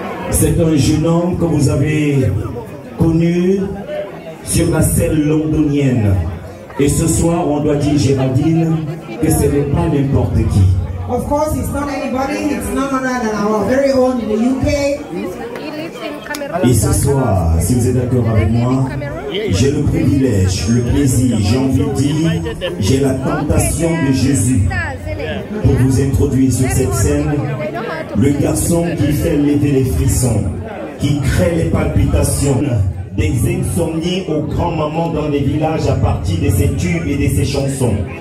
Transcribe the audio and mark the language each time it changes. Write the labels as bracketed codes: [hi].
[fr] C'est un jeune homme que vous avez connu sur la scène londonienne. Et ce soir, on doit dire, Géraldine, que ce n'est pas n'importe qui. [en] Of course, it's not anybody. It's none other than our very own in the UK. [fr] Et ce soir, si vous êtes d'accord avec moi, j'ai le privilège, le plaisir, j'ai envie de dire, j'ai la tentation de Jésus pour vous introduire sur cette scène, le garçon qui fait lever les frissons, qui crée les palpitations, des insomnies aux grands moments dans les villages à partir de ses tubes et de ses chansons.